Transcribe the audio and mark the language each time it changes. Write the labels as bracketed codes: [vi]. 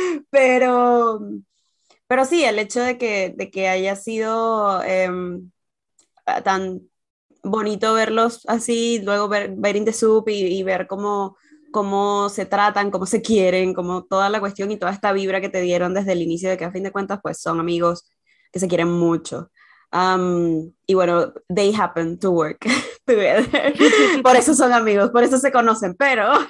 [es] Pero sí, el hecho de que haya sido tan bonito verlos así, luego ver In The Soup y ver cómo se tratan, cómo se quieren, cómo toda la cuestión y toda esta vibra que te dieron desde el inicio, de que a fin de cuentas pues son amigos que se quieren mucho. Y bueno, [en] they happen to work together. [es] Por eso son amigos, por eso se conocen, pero